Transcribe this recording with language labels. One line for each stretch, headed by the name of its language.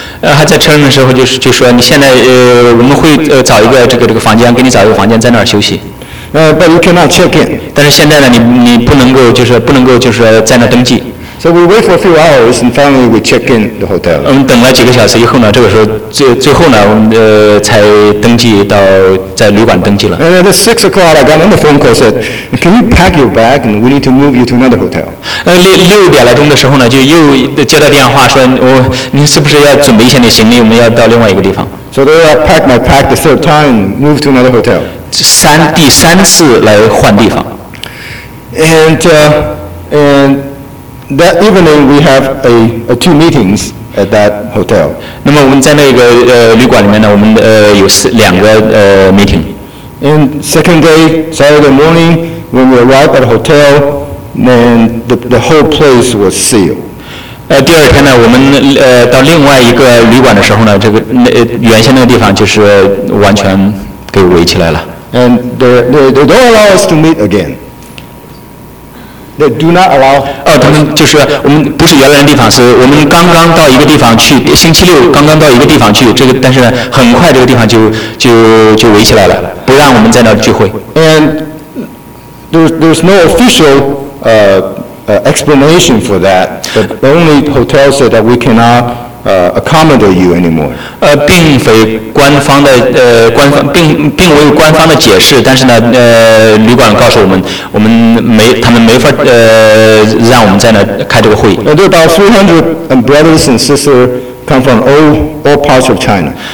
Chinese: 还在车上的时候就说你现在我们会找一个这个房间，给你找一个房间在那儿休息。
English: But you cannot check in.
Chinese: 但是现在呢，你不能够在那登记。
English: So we wait for a few hours, and finally we check in the hotel.
Chinese: 等了几个小时以后呢，这个时候最后呢，我们才登记到在旅馆登记了。
English: And at 6 o'clock, I got another phone call. Said, "Can you pack your bag? And we need to move you to another hotel."
Chinese: 6点来钟的时候呢，就又接到电话说，您是不是要准备一下你行李？我们要到另外一个地方。
English: So they packed my bag the third time, moved to another hotel.
Chinese: 第三次来换地方。
English: And that evening we have a two meetings at that hotel.
Chinese: 那么我们在那个旅馆里面呢，我们有两个meeting.
English: And second day, Saturday morning, when we arrived at the hotel, then the whole place was sealed.
Chinese: 第二天呢，我们到另外一个旅馆的时候呢，原先那个地方就是完全给围起来了。
English: And they don't allow us to meet again. They do not allow.
Chinese: 他们就是我们不是原来的地方，是我们刚刚到一个地方去，星期六刚刚到一个地方去，这个但是呢，很快这个地方就围起来了，不让我们在那聚会。
English: And there's no official explanation for that, but the only hotel said that we cannot accommodate you anymore.
Chinese: 并非官方的官方并未有官方的解释，但是呢，旅馆告诉我们，他们没法让我们在那开这个会议。
English: And there are about 300 brothers and sisters come from all parts of China.